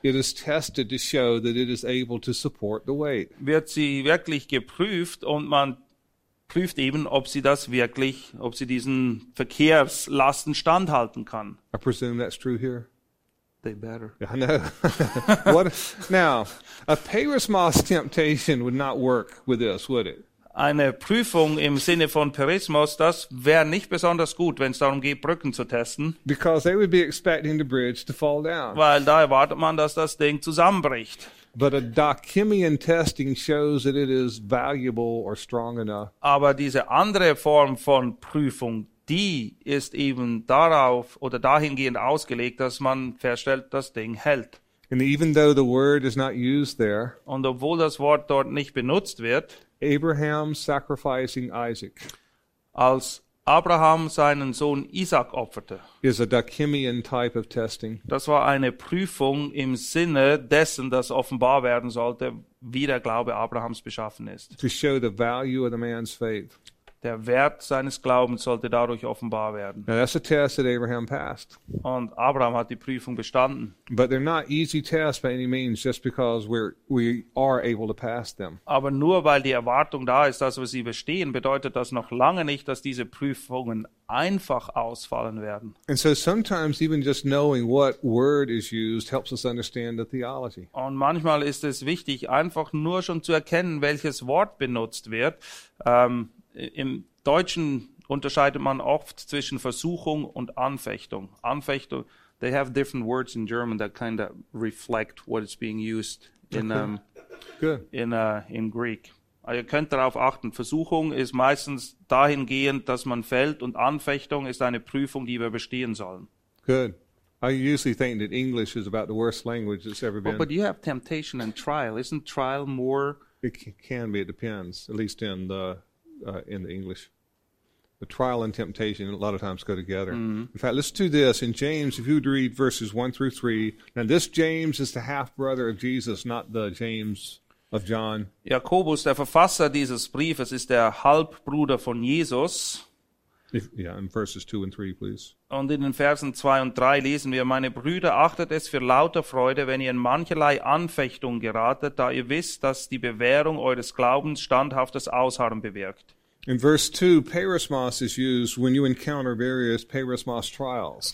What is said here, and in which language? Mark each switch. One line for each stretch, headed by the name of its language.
English: it is tested to show that it is able to support the weight.
German: Wird sie wirklich geprüft und man prüft eben, ob sie das wirklich, ob sie diesen Verkehrslasten standhalten kann.
English: I presume that's true here. They better. Yeah, I know. What now? A perismos temptation would not work with this, would it?
German: Eine Prüfung im Sinne von Perismos, das wäre nicht besonders gut, wenn es darum geht, Brücken zu testen.
English: Because they would be expecting the bridge to fall down.
German: Weil da erwartet man, dass das Ding zusammenbricht.
English: But a dakimion testing shows that it is valuable or strong enough.
German: Aber diese andere Form von Prüfung, die ist eben darauf oder dahingehend ausgelegt, dass man feststellt, das Ding hält.
English: And even though the word is not used there,
German: und obwohl das Wort dort nicht benutzt wird,
English: Abraham sacrificing Isaac,
German: als Abraham seinen Sohn Isaac opferte,
English: is a Dachimian type of testing.
German: Das war eine Prüfung im Sinne dessen, dass offenbar werden sollte, wie der Glaube Abrahams beschaffen ist.
English: To show the value of the man's faith.
German: Der Wert seines Glaubens sollte dadurch offenbar werden.
English: Now that's a test that Abraham passed.
German: Und Abraham hat die Prüfung bestanden.
English: But they're not easy tests by any means, just because we are able to pass them.
German: Aber nur weil die Erwartung da ist, dass wir sie bestehen, bedeutet das noch lange nicht, dass diese Prüfungen einfach ausfallen werden.
English: And so sometimes even just knowing what word is used helps us understand the theology.
German: Und manchmal ist es wichtig, einfach nur schon zu erkennen, welches Wort benutzt wird. Im Deutschen unterscheidet man oft zwischen Versuchung und Anfechtung.
English: Anfechtung, they have different words in German that kind of reflect what is being used in Greek.
German: Also ihr könnt darauf achten, Versuchung ist meistens dahingehend, dass man fällt, und Anfechtung ist eine Prüfung, die wir bestehen sollen.
English: Good. I usually think that English is about the worst language that's ever been. But you have temptation and trial. Isn't trial more? It can be, it depends, at least in the... In the English, the trial and temptation a lot of times go together. Mm-hmm. In fact, let's do this in James. If you would read verses 1-3, now this James is the half brother of Jesus, not the James of John.
German: Jakobus, der Verfasser dieses Briefes, ist der Halbbruder von Jesus.
English: In verses 2-3, please.
German: Und in den Versen 2 und 3 lesen wir: Meine Brüder, achtet es für lauter Freude, wenn ihr in mancherlei Anfechtung geratet, da ihr wisst, dass die Bewährung eures Glaubens standhaftes Ausharren bewirkt.
English: In verse 2, perismos is used when you encounter various perismos trials.